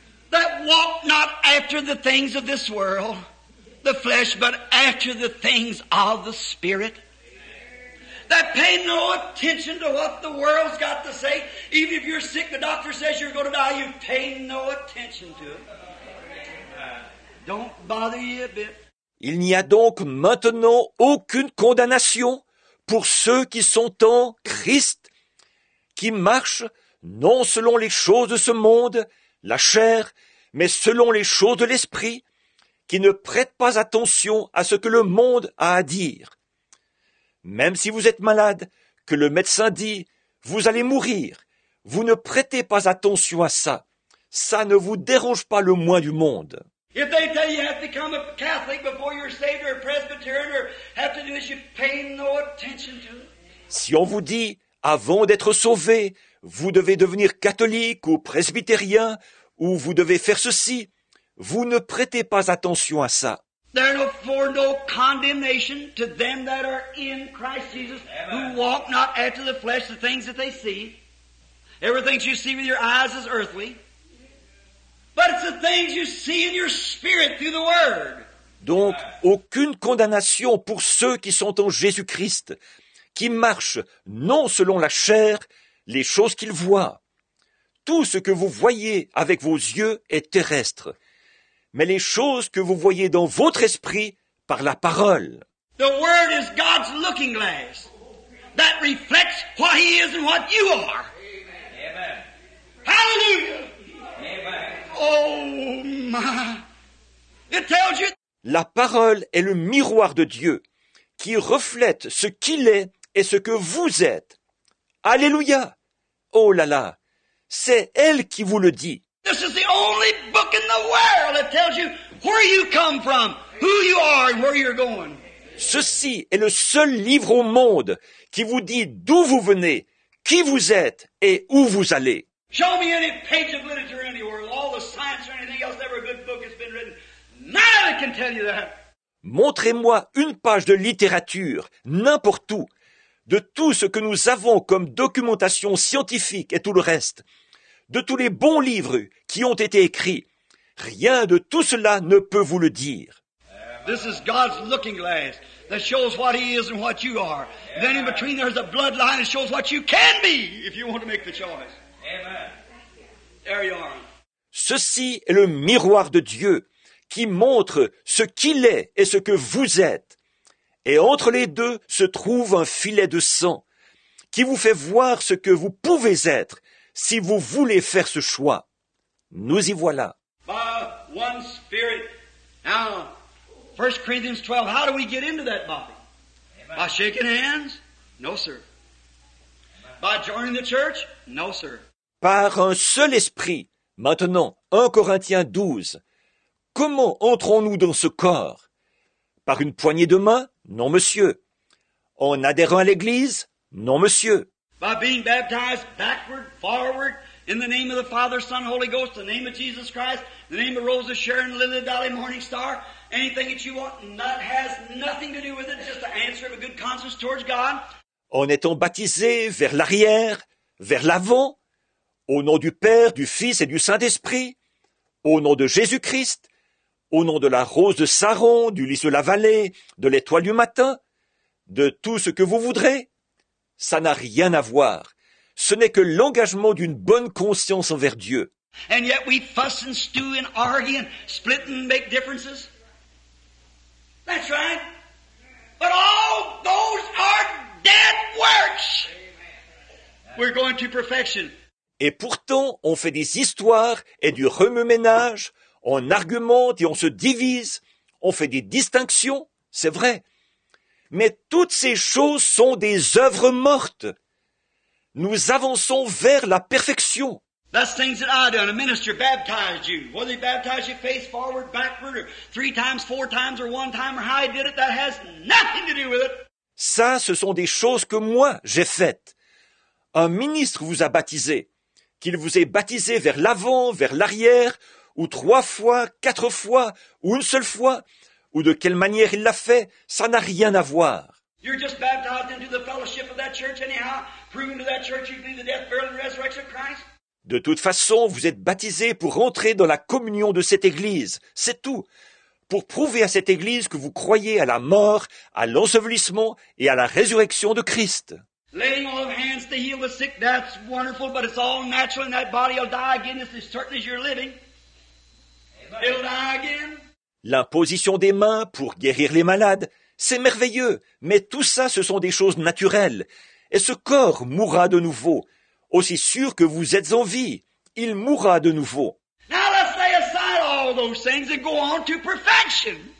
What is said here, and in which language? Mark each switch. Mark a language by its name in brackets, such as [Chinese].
[English] That walk not after the things of this world, the flesh, but after the things of the Spirit. Amen. That pay no attention to what the world's got to say. Even if you're sick, the doctor says you're going to die, you pay no attention to it. Don't bother you a bit. [French] Il n'y a donc maintenant aucune condamnation pour ceux qui sont en Christ, qui marchent non selon les choses de ce monde, la chair, mais selon les choses de l'esprit, qui ne prêtent pas attention à ce que le monde a à dire. Même si vous êtes malade, que le médecin dit « vous allez mourir », vous ne prêtez pas attention à ça. Ça ne vous dérange pas le moins du monde. [English] If they tell you have to become a Catholic before you're saved or a Presbyterian or have to do this, you pay no attention to it. [French] Si on vous dit, avant d'être sauvé, vous devez devenir catholique ou presbytérien ou vous devez faire ceci, vous ne prêtez pas attention à ça. [English] Therefore no condemnation to them that are in Christ Jesus, who walk not after the flesh the things that they see. Everything you see with your eyes is earthly. But it's the things you see in your spirit through the word. [French] Donc, aucune condamnation pour ceux qui sont en Jésus-Christ, qui marchent non selon la chair, les choses qu'ils voient. Tout ce que vous voyez avec vos yeux est terrestre, mais les choses que vous voyez dans votre esprit par la parole. [English] The word is God's looking glass that reflects what he is and what you are. Amen. Hallelujah. Amen. Oh my. It tells you. [French] La parole est le miroir de Dieu qui reflète ce qu'il est et ce que vous êtes. Alléluia. Oh là là. C'est elle qui vous le dit. [English] This is the only book in the world that tells you where you come from, who you are and where you're going. [French] Ceci est le seul livre au monde qui vous dit d'où vous venez, qui vous êtes et où vous allez. [English] Show me any page of literature anywhere, all the science or anything else, every good book has been written. None of it can tell you that. [French] Montrez-moi une page de littérature, n'importe où, de tout ce que nous avons comme documentation scientifique et tout le reste, de tous les bons livres qui ont été écrits. Rien de tout cela ne peut vous le dire. [English] This is God's looking glass that shows what he is and what you are. Yeah. Then in between there's a bloodline that shows what you can be if you want to make the choice. There you are. [French] Ceci est le miroir de Dieu qui montre ce qu'il est et ce que vous êtes. Et entre les deux se trouve un filet de sang qui vous fait voir ce que vous pouvez être si vous voulez faire ce choix. Nous y voilà. [English] By one spirit. Now, 1 Corinthians 12, how do we get into that body? Amen. By shaking hands? No, sir. Amen. By joining the church? No, sir. [French] Par un seul esprit, maintenant, 1 Corinthiens 12, comment entrons-nous dans ce corps? Par une poignée de main? Non, monsieur. En adhérant à l'Église? Non, monsieur. [English] By being baptized backward, forward, in the name of the Father, Son, Holy Ghost, the name of Jesus Christ, the name of Rosa, Sharon, Lily, Dolly, Morning Star, anything that you want, that has nothing to do with it, just the answer of a good conscience towards God. [French] En étant baptisé vers l'arrière, vers l'avant, au nom du Père, du Fils et du Saint-Esprit, au nom de Jésus-Christ, au nom de la rose de Saron, du lys de la vallée, de l'étoile du matin, de tout ce que vous voudrez, ça n'a rien à voir. Ce n'est que l'engagement d'une bonne conscience envers Dieu. [English] And yet we fuss and stew and argue and split and make differences. That's right. But all those are dead works. we're going to perfection. [French] Et pourtant, on fait des histoires et du remue-ménage, on argumente et on se divise, on fait des distinctions, c'est vrai. Mais toutes ces choses sont des œuvres mortes. Nous avançons vers la perfection. [English] That's things that I do. And a minister baptized you. Whether he baptized you face forward, backward, or three times, four times, or one time, or how he did it, that has nothing to do with it. [French] Ça, ce sont des choses que moi, j'ai faites. Un ministre vous a baptisé. Qu'il vous ait baptisé vers l'avant, vers l'arrière, ou trois fois, quatre fois, ou une seule fois, ou de quelle manière il l'a fait, ça n'a rien à voir. [English] You're just baptized into the fellowship of that church anyhow, proving to that church you believe the death, burial, and resurrection of Christ. [French] De toute façon, vous êtes baptisé pour entrer dans la communion de cette Église, c'est tout. Pour prouver à cette Église que vous croyez à la mort, à l'ensevelissement et à la résurrection de Christ. [English] Laying all of hands to heal the sick, that's wonderful, but it's all natural and that body will die again, it's as certain as you're living. It'll die again. [French] L'imposition des mains pour guérir les malades, c'est merveilleux, mais tout ça, ce sont des choses naturelles. Et ce corps mourra de nouveau. Aussi sûr que vous êtes en vie, il mourra de nouveau. [English] Now let's lay aside all those things and go on to perfection.